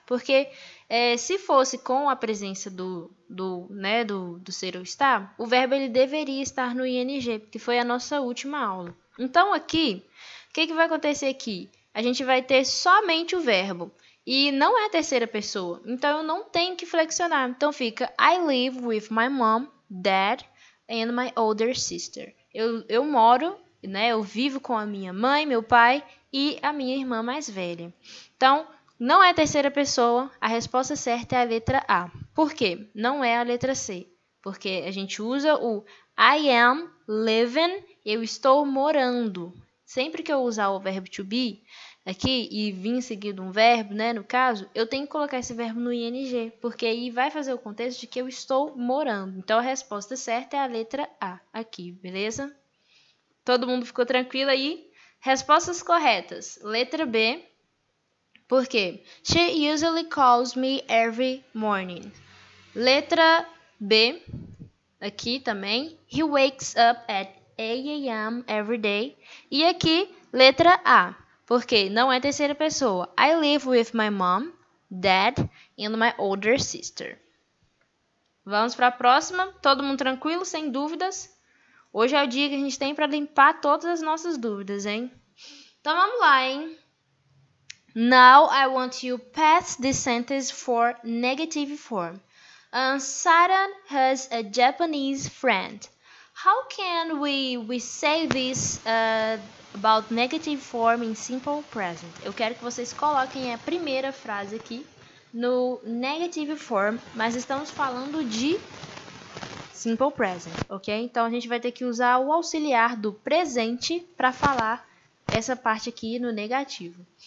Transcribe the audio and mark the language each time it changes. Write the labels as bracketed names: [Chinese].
[Portuguese] Porque se fosse com a presença do ser ou estar, o verbo ele deveria estar no ing, que foi a nossa última aula. Então aqui, o que vai acontecer aqui? A gente vai ter somente o verbo e não é a terceira pessoa. Então eu não tenho que flexionar. Então fica [English] I live with my mom, dad and my older sister. [Portuguese] Eu moro, né? Eu vivo com a minha mãe, meu pai e a minha irmã mais velha. Então, não é a terceira pessoa. A resposta certa é a letra A. Por quê? Não é a letra C. Porque a gente usa o [English] I am living, [Portuguese] eu estou morando. Sempre que eu usar o verbo to be aqui e vir seguido um verbo, né, no caso, eu tenho que colocar esse verbo no ing, porque aí vai fazer o contexto de que eu estou morando. Então, a resposta certa é a letra A aqui, beleza? Todo mundo ficou tranquilo aí? Respostas corretas. Letra B. Por quê? [English] She usually calls me every morning. [Portuguese] Letra B aqui também. [English] He wakes up at 8 a.m. every day. [Portuguese] E aqui, letra A. Porque não é terceira pessoa. [English] I live with my mom, dad, and my older sister. [Portuguese] Vamos para a próxima. Todo mundo tranquilo, sem dúvidas. Hoje é o dia que a gente tem para limpar todas as nossas dúvidas, hein? Então vamos lá, hein? [English] Now I want you to pass the sentence for negative form. Saran has a Japanese friend. How can we say this about negative form in simple present? [Portuguese] Eu quero que vocês coloquem a primeira frase aqui no negative form, mas estamos falando de simple present, ok? Então, a gente vai ter que usar o auxiliar do presente para falar essa parte aqui no negativo.